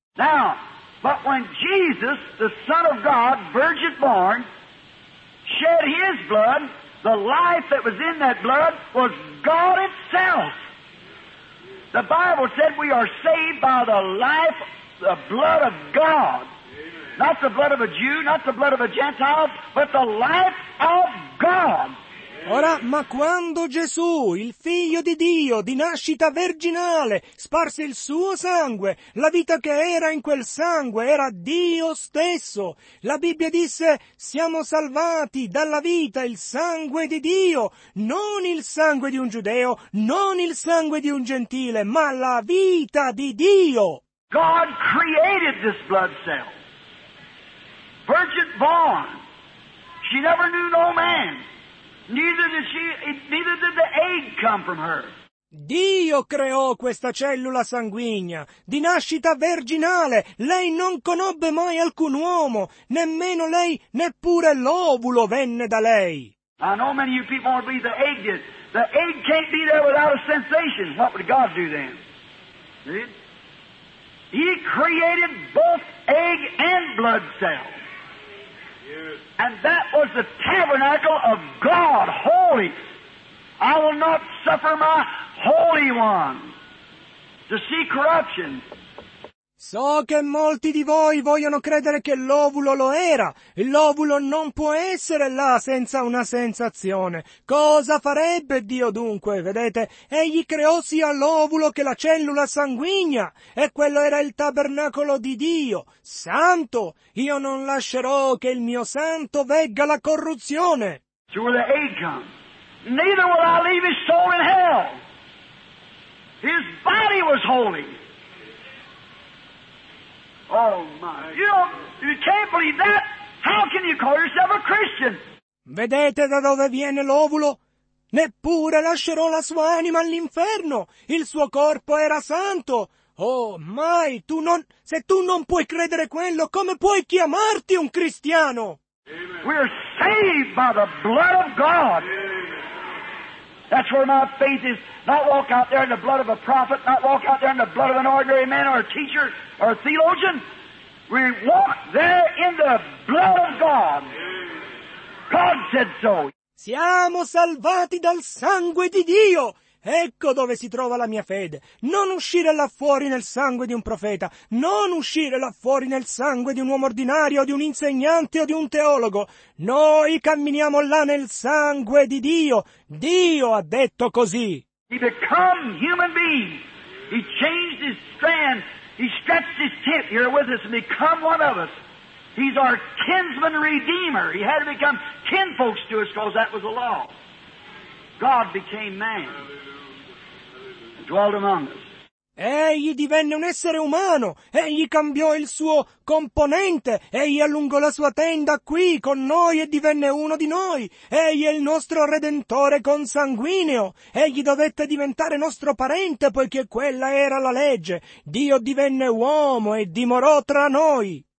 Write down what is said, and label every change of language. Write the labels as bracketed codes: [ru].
[en] Now, but when Jesus, the Son of God, virgin born, shed his blood, the life that was in that blood was God itself. The Bible said we are saved by the life, the blood of God. Amen. Not the blood of a Jew, not the blood of a Gentile, but the life of God. [it] Ora, ma quando Gesù, il figlio di Dio, di nascita virginale, sparse il suo sangue, la vita che era in quel sangue era Dio stesso. La Bibbia disse, siamo salvati dalla vita, il sangue di Dio, non il sangue di un giudeo, non il sangue di un gentile, ma la vita di Dio. [en] God created this blood cell. Virgin born. She never knew no man. Neither did the egg come from her. [it] Dio creò questa cellula sanguigna, di nascita virginale. Lei non conobbe mai alcun uomo, nemmeno lei, neppure l'ovulo venne da lei. [en] I know many of you people want to believe the egg did. The egg can't be there without a sensation. What would God do then? See? He created both egg and blood cells. And that was the tabernacle of God, holy. I will not suffer my holy one to see corruption. [it] So che molti di voi vogliono credere che l'ovulo lo era. L'ovulo non può essere là senza una sensazione. Cosa farebbe Dio dunque? Vedete, egli creò sia l'ovulo che la cellula sanguigna. E quello era il tabernacolo di Dio. Santo! Io non lascerò che il mio santo vegga la corruzione. [en] To where the egg comes. neither will I leave his soul in hell. His body was holy. Oh, my. You can't believe that. How can you call yourself a Christian? [it] Vedete da dove viene l'ovulo? Neppure lascerò la sua anima all'inferno. Il suo corpo era santo. Oh, mai, tu non... Se tu non puoi credere quello, come puoi chiamarti un cristiano? [en] We're saved by the blood of God. That's where my faith is. Not walk out there in the blood of a prophet, not walk out there in the blood of an ordinary man or a teacher or a theologian. We walk there in the blood of God. God said so. [it] Siamo salvati dal sangue di Dio. Ecco dove si trova la mia fede. Non uscire là fuori nel sangue di un profeta. Non uscire là fuori nel sangue di un uomo ordinario, di un insegnante o di un teologo. Noi camminiamo là nel sangue di Dio. Dio ha detto così. [en] He became human being. He changed his strand. He stretched his tent here with us and become one of us. He's our kinsman redeemer. He had to become kinfolks to us because that was the law. God became man. Dwelt among us. [it] Egli divenne un essere umano, egli cambiò il suo componente, egli allungò la sua tenda qui con noi e divenne uno di noi, egli è il nostro redentore consanguineo, egli dovette diventare nostro parente poiché quella era la legge, Dio divenne uomo e dimorò tra noi.